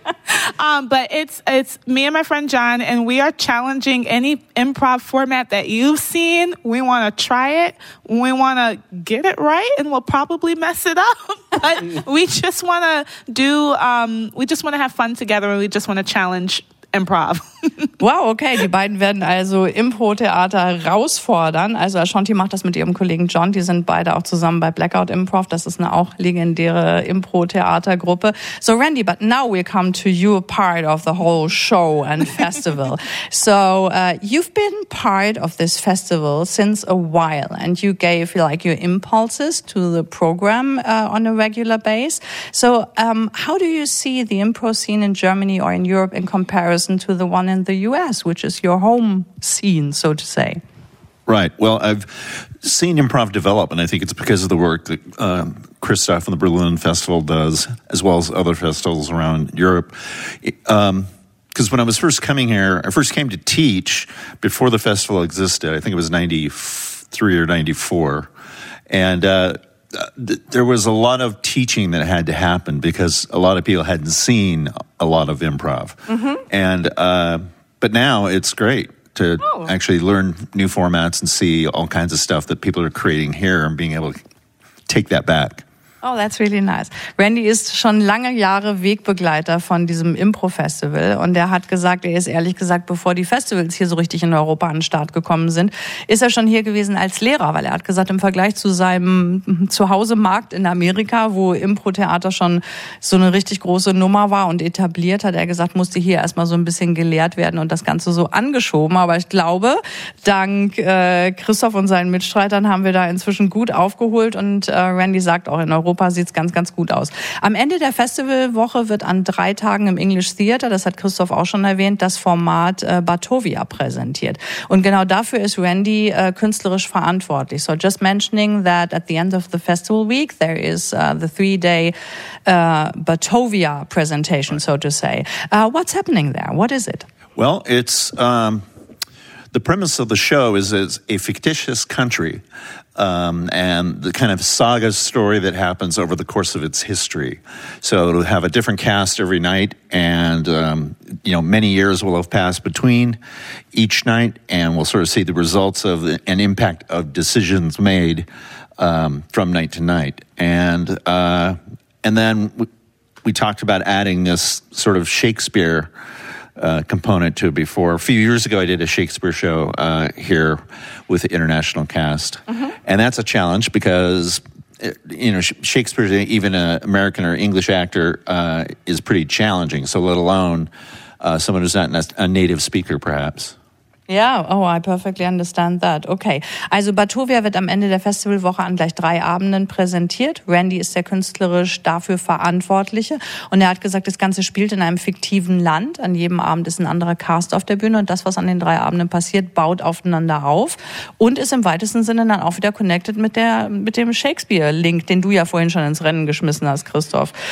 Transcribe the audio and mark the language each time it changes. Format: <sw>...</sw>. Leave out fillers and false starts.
<en>But it's me and my friend John, and we are challenging any improv format that you've seen. We want to try it. We want to get it right, and we'll probably mess it up. But we just want to have fun together, and we just want to challenge Improv.</en> <de>Wow, okay, die beiden werden also Impro-Theater herausfordern. Also Ashanti macht das mit ihrem Kollegen John, die sind beide auch zusammen bei Blackout Improv. Das ist eine auch legendäre Impro-Theater-Gruppe.</de> <en>So Randy, but now we come to your part of the whole show and festival. So you've been part of this festival since a while and you gave like your impulses to the program on a regular base. So how do you see the impro scene in Germany or in Europe in comparison comparison to the one in the U.S., which is your home scene, so to say. Right. Well, I've seen improv develop, and I think it's because of the work that Christoph and the Berlin Festival does, as well as other festivals around Europe. Because when I was first coming here, I first came to teach before the festival existed. I think it was 93 or 94. And there was a lot of teaching that had to happen because a lot of people hadn't seen a lot of improv. Mm-hmm. And but now it's great to actually learn new formats and see all kinds of stuff that people are creating here and being able to take that back. Oh, that's really nice.</en> <de>Randy ist schon lange Jahre Wegbegleiter von diesem Impro-Festival und er hat gesagt, er ist ehrlich gesagt, bevor die Festivals hier so richtig in Europa an den Start gekommen sind, ist er schon hier gewesen als Lehrer, weil er hat gesagt, im Vergleich zu seinem Zuhause-Markt in Amerika, wo Impro-Theater schon so eine richtig große Nummer war und etabliert, hat er gesagt, musste hier erstmal so ein bisschen gelehrt werden und das Ganze so angeschoben. Aber ich glaube, dank Christoph und seinen Mitstreitern haben wir da inzwischen gut aufgeholt und Randy sagt auch, in Europa sieht es ganz, ganz gut aus. Am Ende der Festivalwoche wird an drei Tagen im English Theater, das hat Christoph auch schon erwähnt, das Format Batovia präsentiert. Und genau dafür ist Randy künstlerisch verantwortlich.</de> <en>So just mentioning that at the end of the festival week, there is the three-day Batovia presentation, so to say. What's happening there? What is it? Well, it's the premise of the show is it's a fictitious country. And the kind of saga story that happens over the course of its history. So it'll have a different cast every night, and you know, many years will have passed between each night, and we'll sort of see the results of an impact of decisions made from night to night. And then we talked about adding this sort of Shakespeare component to it before. A few years ago, I did a Shakespeare show here with the international cast. Mm-hmm. And that's a challenge because, you know, Shakespeare, even an American or English actor, is pretty challenging. So let alone someone who's not a native speaker, perhaps. Ja, yeah, oh, I perfectly understand that.</en> <de>Okay, also Batovia wird am Ende der Festivalwoche an gleich drei Abenden präsentiert. Randy ist der künstlerisch dafür Verantwortliche und er hat gesagt, das Ganze spielt in einem fiktiven Land. An jedem Abend ist ein anderer Cast auf der Bühne und das, was an den drei Abenden passiert, baut aufeinander auf und ist im weitesten Sinne dann auch wieder connected mit dem Shakespeare-Link, den du ja vorhin schon ins Rennen geschmissen hast, Christoph.</de>